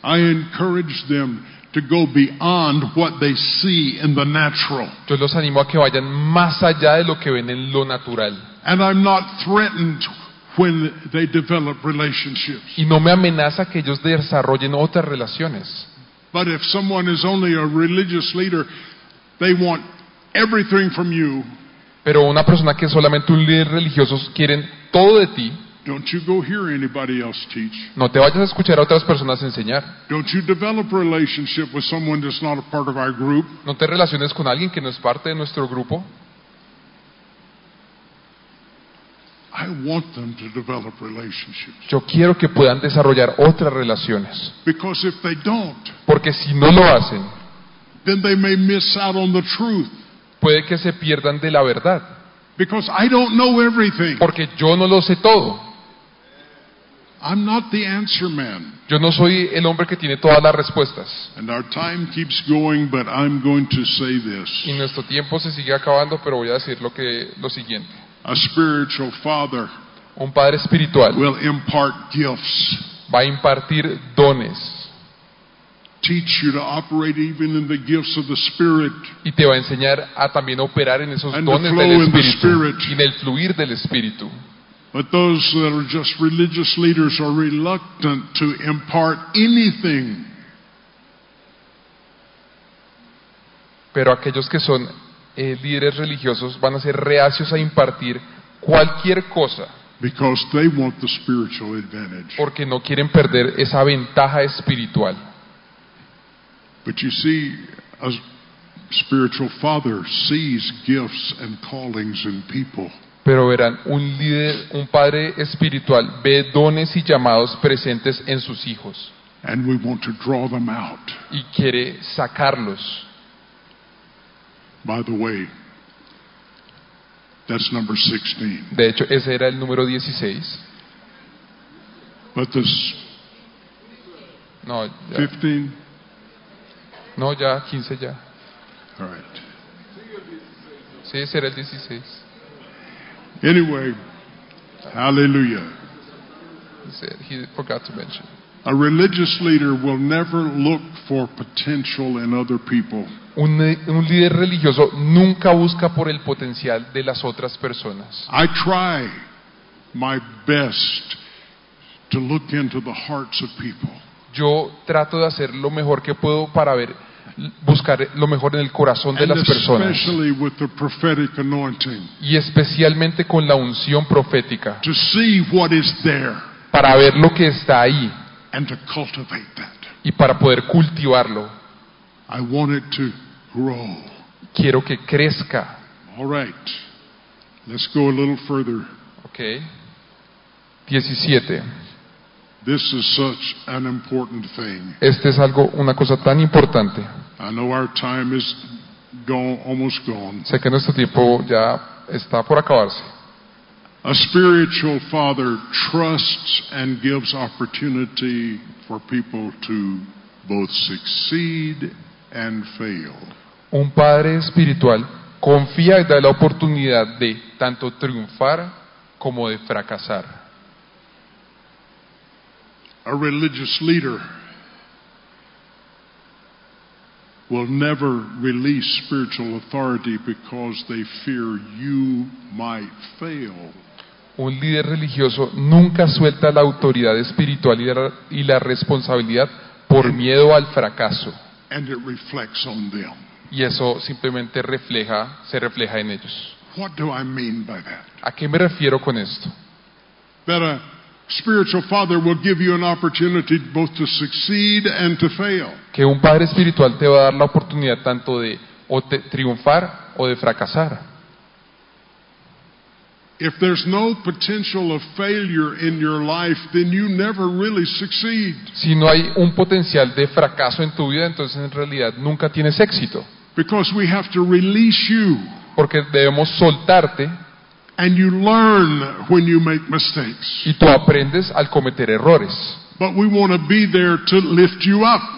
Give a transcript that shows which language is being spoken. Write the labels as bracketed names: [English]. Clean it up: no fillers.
[English] I encourage them to go beyond what they see in the natural. [Spanish] Yo los animo a que vayan más allá de lo que ven en lo natural. [English] And I'm not threatened when they develop relationships. [Spanish] Y no me amenaza que ellos desarrollen otras relaciones. [English] But if someone is only a religious leader, they want everything from you. [Spanish] Pero una persona que es solamente un líder religioso quieren todo de ti. [English] Don't you go hear anybody else teach. [Spanish] No te vayas a escuchar a otras personas enseñar. [English] Don't you develop a relationship with someone that's not a part of our group. [Spanish] No te relaciones con alguien que no es parte de nuestro grupo. [English] I want them to develop relationships. [Spanish] Yo quiero que puedan desarrollar otras relaciones. [English] Because if they don't, [Spanish] porque si no lo hacen, [English] then they may miss out on the truth. [Spanish] Puede que se pierdan de la verdad. [English] Because I don't know everything. [Spanish] Porque yo no lo sé todo. [English] I'm not the answer man. [Spanish] Yo no soy el hombre que tiene todas las respuestas. [English] And our time keeps going, but I'm going to say this. [Spanish] Y nuestro tiempo se sigue acabando, pero voy a decir lo siguiente. [English] A spiritual father, [Spanish] un padre espiritual, [English] will impart gifts. [Spanish] Va a impartir dones. [English] Teach you to operate even in the gifts of the Spirit. [Spanish] Y te va a enseñar a también operar en esos dones del Espíritu. [English] And the flow in the Spirit. [Spanish] Y en el fluir del Espíritu. [English] But those that are just religious leaders are reluctant to impart anything. [Spanish] Pero aquellos que son líderes religiosos van a ser reacios a impartir cualquier cosa. [English] Because they want the spiritual advantage. [Spanish] Porque no quieren perder esa ventaja espiritual. [English] But you see, a spiritual father sees gifts and callings in people. [Spanish] Pero verán, un líder, un padre espiritual ve dones y llamados presentes en sus hijos. [English] And we want to draw them out. [Spanish] Y quiere sacarlos. [English] By the way, that's number 16. [Spanish] De hecho, ese era el número 16. [English] But this. [Spanish] No, ya. 15. No, ya, 15 ya. [English] All right. [Spanish] Sí, ese era el 16. [English] Anyway, hallelujah. He forgot to mention. A religious leader will never look for potential in other people. [Spanish] Un líder religioso nunca busca por el potencial de las otras personas. [English] I try my best to look into the hearts of people. [Spanish] Yo trato de hacer lo mejor que puedo para ver buscar lo mejor en el corazón de las personas. [English] Especially with the prophetic anointing. [Spanish] Y especialmente con la unción profética. [English] To see what is there. [Spanish] Para ver lo que está ahí. [English] And to cultivate that. [Spanish] Y para poder cultivarlo. [English] I want it to grow. [Spanish] Quiero que crezca. [English] All right. Let's go a little further. Okay. 17. This is such an important thing. [Spanish] Este es algo, una cosa tan importante. [English] I know our time is gone, almost gone. [Spanish] Sé que nuestro tiempo ya está por acabarse. [English] A spiritual father trusts and gives opportunity for people to both succeed and fail. [Spanish] Un padre espiritual confía y da la oportunidad de tanto triunfar como de fracasar. [English] A religious leader will never release spiritual authority because they fear you might fail. [Spanish] Un líder religioso nunca suelta la autoridad espiritual y la responsabilidad por miedo al fracaso. [English] And it reflects on them. [Spanish] Y eso simplemente refleja, se refleja en ellos. [English] What do I mean by that? [Spanish] ¿A qué me refiero con esto? [English] Better. Spiritual father will give you an opportunity both to succeed and to fail. [Spanish] Que un padre espiritual te va a dar la oportunidad tanto de o te, triunfar o de fracasar. [English] If there's no potential of failure in your life, then you never really succeed. [Spanish] Si no hay un potencial de fracaso en tu vida, entonces en realidad nunca tienes éxito. [English] Because we have to release you. [Spanish] Porque debemos soltarte. [English] And you learn when you make mistakes. [Spanish] Y tú aprendes al cometer errores. [English] But we want to be there to lift you up.